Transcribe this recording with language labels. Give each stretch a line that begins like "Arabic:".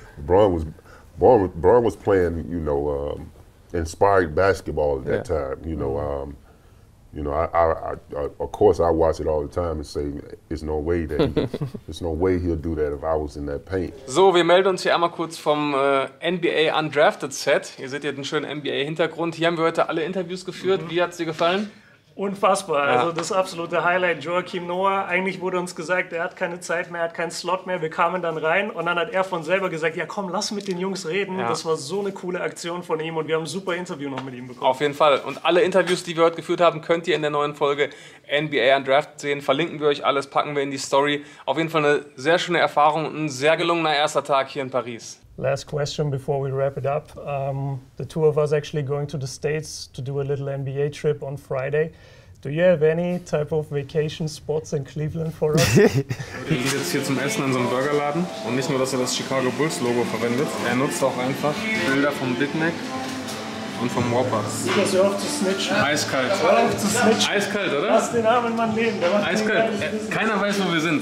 English: LeBron was playing, you know, inspired basketball at that time. You know, I watch it all the time and say, there's no way he'll do that if I was in that paint.
German: So, wir melden uns hier einmal kurz vom NBA Undrafted Set. Ihr seht hier den schönen NBA-Hintergrund. Hier haben wir heute alle Interviews geführt. Mhm. Wie hat es dir gefallen? Unfassbar, also das absolute Highlight, Joakim Noah, eigentlich wurde uns gesagt, er hat keine Zeit mehr, er hat keinen Slot mehr, wir kamen dann rein und dann hat er von selber gesagt, ja komm, lass mit den Jungs reden, das war so eine coole Aktion von ihm und wir haben ein super Interview noch mit ihm bekommen. Auf jeden Fall und alle Interviews, die wir heute geführt haben, könnt ihr in der neuen Folge NBA Undrafted sehen, verlinken wir euch alles, packen wir in die Story. Auf jeden Fall eine sehr schöne Erfahrung und ein sehr gelungener erster Tag hier in Paris.
English: Last question before we wrap it up. The two of us actually going to the States to do a little NBA trip on Friday. Do you have any type of vacation spots in Cleveland for us?
German: Wir gehen jetzt hier zum Essen in so einen Burgerladen. Und nicht nur, dass er das Chicago Bulls Logo verwendet, er nutzt auch einfach Bilder vom Big Mac und vom Whopper. Das hör auf zu snitchen. Eiskalt. Hör auf zu snitchen. Eiskalt, oder? Lass den armen Mann leben. Der macht eiskalt. Keiner weiß, wo wir sind.